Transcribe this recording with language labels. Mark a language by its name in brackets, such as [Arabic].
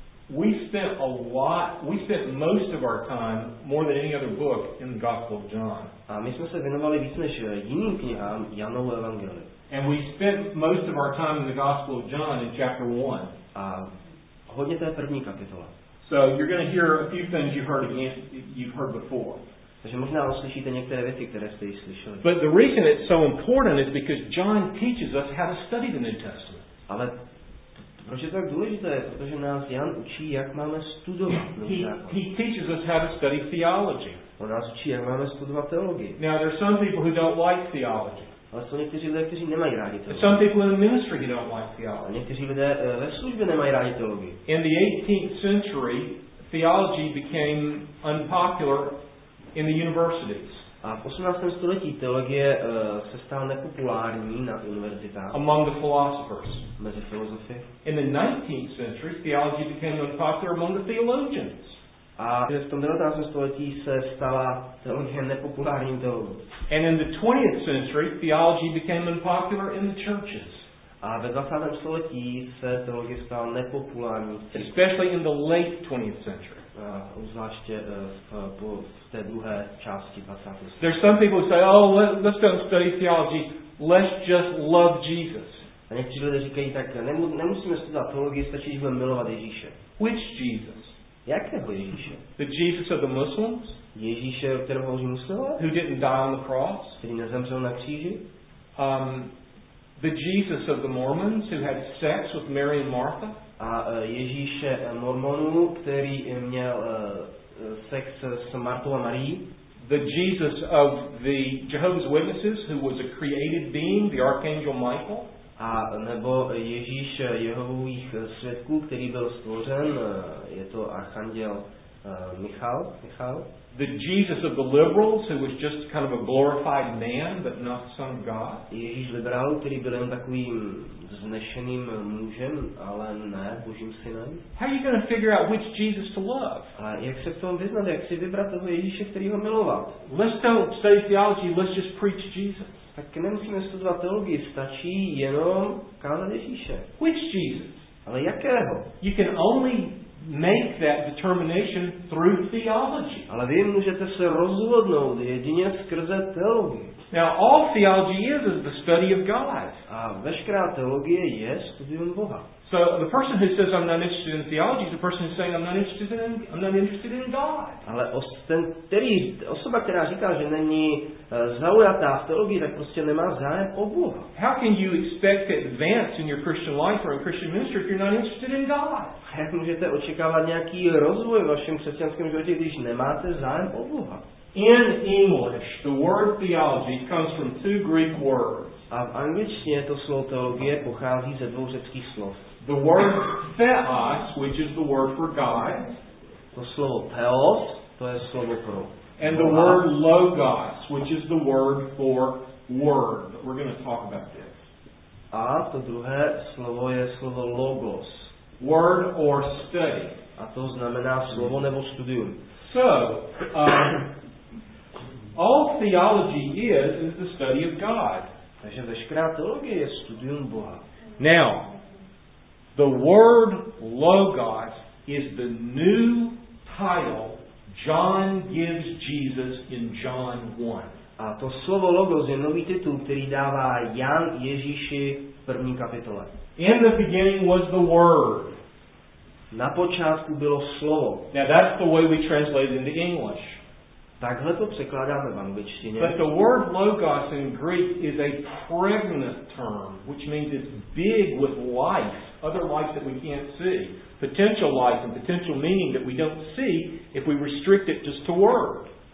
[English] We spent most of our time, more than any other book, in the Gospel of John. [Czech] A my jsme se věnovali víc než jiným knihám, Janovu evangelii. [English] And we spent most of our time in the Gospel of John in chapter 1. [Czech] A hodně té první kapitola. [English] So you're going to hear a few things you've heard before. [Czech] Takže možná uslyšíte některé věci, které jste již slyšeli. [English] But the reason it's so important is because John teaches us how to study the New Testament. [Czech] Ale proč je tak důležité? Protože nás Jan učí, jak máme studovat Nový zákon. [English] He teaches us how to study theology. [Czech] On nás učí, jak máme studovat teologii. [English] Now there are some people who don't like theology. [Czech] Ale jsou někteří lidé, kteří nemají rádi teologii. [English] Some people in the ministry don't like theology. [Czech] A někteří lidé ve službě nemají rádi teologii. [English] In the 18th century, theology became unpopular in the universities. [Czech] A v 18. století teologie se stala nepopulární na univerzitách. [English] Among the philosophers. [Czech] Mezi filozofy. [English] In the 19th century, theology became unpopular among the theologians. [Czech] A v tom 19. století se stala teologie nepopulární teologií. [English] And in the 20th century, theology became unpopular in the churches. [Czech] A ve 20. století se teologie stala nepopulární. [English] Especially in the late 20th century. [Czech] Zvláště v té druhé části 20. století. [English] There's some people who say, oh, let's don't study theology, let's just love Jesus. [Czech] A někteří lidé říkají, tak nemusíme studovat teologii, stačí, že budeme milovat Ježíše. [English] Which Jesus? [Czech] Jakého Ježíše? [English] The Jesus of the Muslims? [Czech] Ježíše, o kterém hovoří muslimové? [English] Who didn't die on the cross? [Czech] Který nezemřel na kříži? [English] The Jesus of the Mormons who had sex with Mary and Martha? [Czech] A Ježíše Mormonů, který měl sex s Martou a Marií? [English] The Jesus of the Jehovah's Witnesses who was a created being, the Archangel Michael? [Czech] A nebo Ježíš Jehovových svědků, který byl stvořen, je to archanděl Michal. [English] The Jesus of the liberals, who was just kind of a glorified man, but not son of God. [Czech] Ježíš liberál, který byl jen takovým vznešeným mužem, ale ne Božím synem. [English] How are you going to figure out which Jesus to love? [Czech] A jak se v tom vyznat, jak si vybrat toho Ježíše, který ho miloval? [English] Let's don't study theology, let's just preach Jesus. [Czech] Tak nemusíme studovat teologii, stačí jenom kázat Ježíše. [English] Which Jesus? [Czech] Ale jakého? [English] You can only make that determination through theology. [Czech] Ale vy můžete se rozhodnout jedině skrze teologii. [English] Now all theology is the study of God. [Czech] A veškerá teologie je studium Boha. [English] So the person who says I'm not interested in theology is the person who's saying I'm not interested in God. [Czech] Ale osoba, která říká, že není zaujatá v teologii, tak prostě nemá zájem o Boha. [English] How can you expect to advance in your Christian life or in Christian ministry if you're not interested in God? [Czech] Jak můžete očekávat nějaký rozvoj v vašem křesťanském životě, když nemáte zájem o Boha? [English] In English, the word theology comes from two Greek words. [Czech] A v angličtině to slovo teologie pochází ze dvou řeckých slov. [English] The word theos, which is the word for God. [Czech] To slovo theos, to je slovo pro. [English] And the word logos, which is the word for word. We're going to talk about this. [Czech] A to druhé slovo je slovo logos. [English] Word or study. [Czech] A to znamená slovo nebo studium. [English] So, all theology is the study of God. [Czech] Takže veškerá teologie je studium Boha. [English] Now, the word logos is the new title John gives Jesus in John 1. [Czech] A to slovo logos je nový titul, který dává Jan Ježíši v první kapitole. [English] In the beginning was the word. [Czech] Na počátku bylo slovo. [English] Now that's the way we translate it into English. [Czech] Takhle to překládáme v angličtině. [English] But the word logos in Greek is a pregnant term, which means it's big with life, other life that we can't see, potential life and potential meaning that we don't see if we restrict it just to word.